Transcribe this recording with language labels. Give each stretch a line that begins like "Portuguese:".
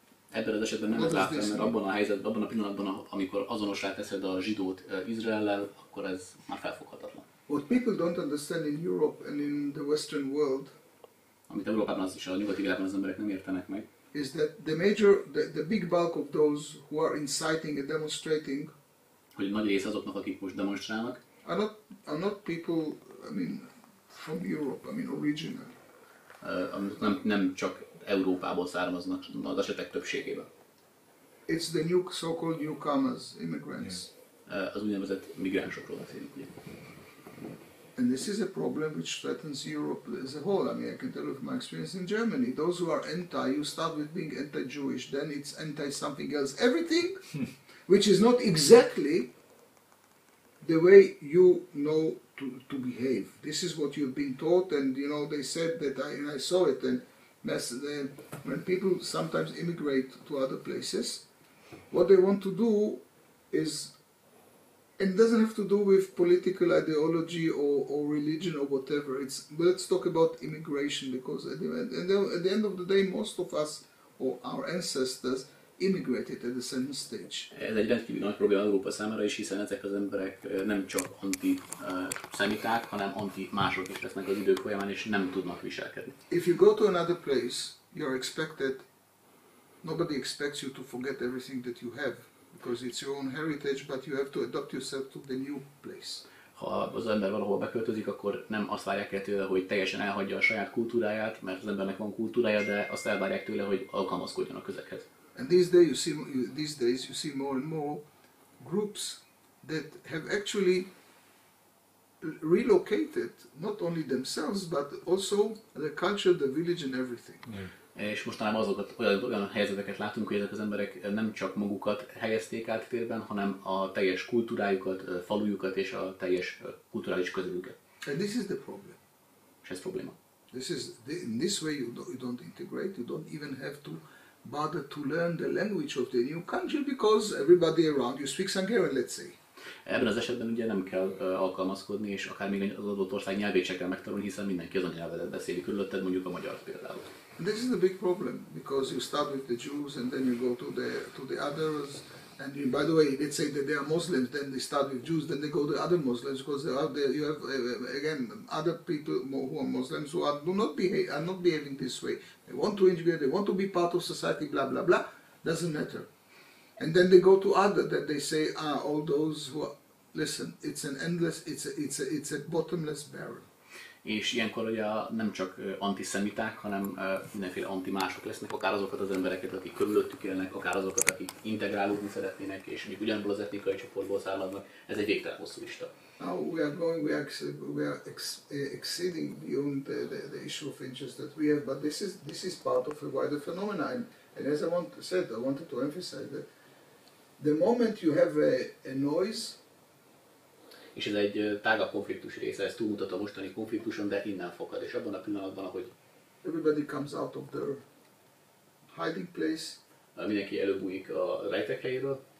Hungarian: ebben az esetben nem látom, mert abban a helyzetben, abban a pillanatban, amikor azonosra teszed a zsidót Izraellel, akkor ez már felfoghatatlan.
English: What people don't understand in Europe and in the Western world,
Hungarian: amit Európában az is a nyugati világban az emberek nem értenek meg,
English: is that the major, the big bulk of those who are inciting and demonstrating,
Hungarian: hogy nagy része azoknak, akik most demonstrálnak,
English: are not people, I mean, from Europe, I mean, original.
Hungarian: Nem csak Európából származnak, az esetek többségében.
English: It's the new, so-called newcomers, immigrants.
Hungarian: Az úgynevezett migránsokról beszélünk, ugye.
English: And this is a problem which threatens Europe as a whole. I mean, I can tell you from my experience in Germany. Those who are anti, you start with being anti-Jewish, then it's anti-something else. Everything which is not exactly the way you know to behave. This is what you've been taught, and you know, they said that, I saw it, and when people sometimes immigrate to other places, what they want to do is, and it doesn't have to do with political ideology or religion or whatever. It's, let's talk about immigration, because at the end of the day, most of us or our ancestors immigrated at the same stage.
Hungarian: Ez egy rendkívül nagy probléma Európa számára is, hiszen ezek az emberek nem csak anti-szemiták, hanem anti-mások is lesznek az idő folyamán, és nem tudnak viselkedni.
English: If you go to another place, you're expected, nobody expects you to forget everything that you have. Because it's your own heritage, but you have to adapt yourself to the new place.
Hungarian: Ha az ember valahova beköltözik, akkor nem azt várják el tőle, hogy teljesen elhagyja a saját kultúráját, mert az embernek van kultúrája, de azt elvárják tőle, hogy alkalmazkodjon a közeghez.
English: And these days you see more and more groups that have actually relocated not only themselves, but also the culture, the village and everything. Yeah.
Hungarian: És mostanában azokat, olyan helyzeteket látunk, hogy ezek az emberek nem csak magukat helyezték át térben, hanem a teljes kultúrájukat, falujukat és a teljes kulturális közegüket.
English: And this is the problem.
Hungarian: és ez probléma.
English: This is the, in this way you don't integrate, you don't even have to bother to learn the language of the new country because everybody around you speaks Hungarian, let's say.
Hungarian: Ebben az esetben ugye nem kell alkalmazkodni, és akár még az adott ország nyelvét sem kell megtanulni, hiszen mindenki az a nyelvedet beszéli körülötted, mondjuk a magyar például.
English: And this is a big problem because you start with the Jews and then you go to the others. And you, by the way, let's say that they are Muslims, then they start with Jews, then they go to other Muslims because they are there, you have again other people who are Muslims who are not behaving this way. They want to integrate, they want to be part of society, blah blah blah. Doesn't matter. And then they go to other that they say, all those who are, listen, it's an endless, it's a bottomless barrel.
Hungarian: És ilyenkor ugye nem csak antiszemiták, hanem mindenféle antimások lesznek, akár azokat az embereket, akik körülöttük élnek, akár azokat, akik integrálódni szeretnének, és mondjuk ugyanból az etnikai csoportból származnak, ez egy végtelen hosszú lista.
English: Now we are going, we are exceeding beyond the issue of interest that we have, but this is part of a wider phenomenon. And as I wanted to emphasize that the moment you have a noise,
Hungarian: és ez egy tágabb konfliktus része, ez túlmutat a mostani konfliktuson, de innen fakad, és abban a pillanatban, ahogy
English: everybody comes out of their hiding place,
Hungarian: mindenki előbújik a rejtek helyéről,